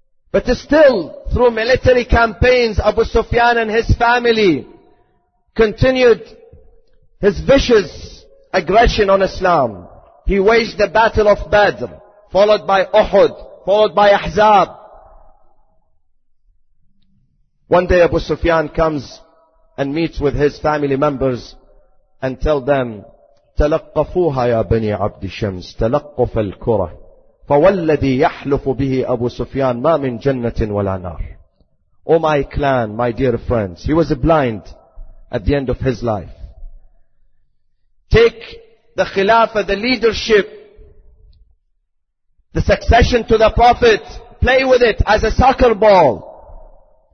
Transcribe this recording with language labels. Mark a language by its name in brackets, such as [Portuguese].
[English] But still, through military campaigns, Abu Sufyan and his family continued his vicious aggression on Islam. He waged the Battle of Badr, followed by Uhud, followed by Ahzab. One day Abu Sufyan comes and meets with his family members and tell them, [Arabic] تلقفوها يا بني عبد شمس تلقف الكرة فوالذي يحلف به أبو سفيان ما من جنة ولا نار. [English] Oh my clan, my dear friends. He was blind at the end of his life. Take the khilafah, the leadership, the succession to the Prophet, play with it as a soccer ball.